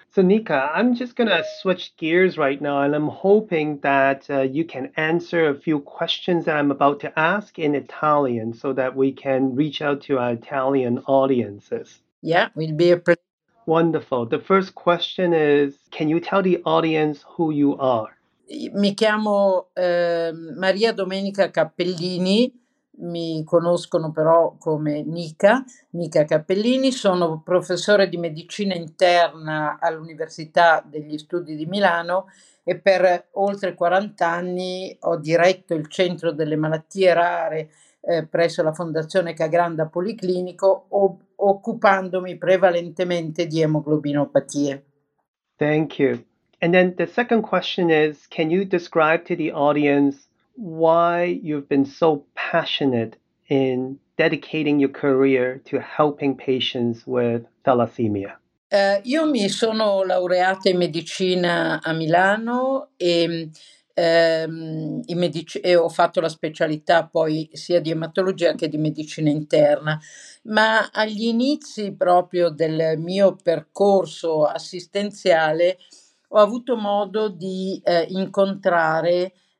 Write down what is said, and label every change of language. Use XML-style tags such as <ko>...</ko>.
<en>So, Nica, I'm just going to switch gears right now, and I'm hoping that you can answer a few questions that I'm about to ask in Italian so that we can reach out to our Italian audiences. Yeah, we'll be a Wonderful. The first question is, can you tell the audience who you are?</en> <it>Mi chiamo Maria Domenica Cappellini. mi conoscono però come Nica Cappellini, sono professore di medicina interna all'Università degli Studi di Milano e per oltre 40 anni ho diretto il Centro delle Malattie Rare presso la Fondazione Cagranda Policlinico, occupandomi prevalentemente di emoglobinopatie.</it> <en>Thank you. And then the second question is, can you describe to the audience why you've been so passionate in dedicating your career to helping patients with thalassemia?</en> <it>Io mi sono laureata in medicina a Milano e ho fatto la specialità poi sia di ematologia che di medicina interna, ma agli inizi proprio del mio percorso assistenziale ho avuto modo di incontrare</it>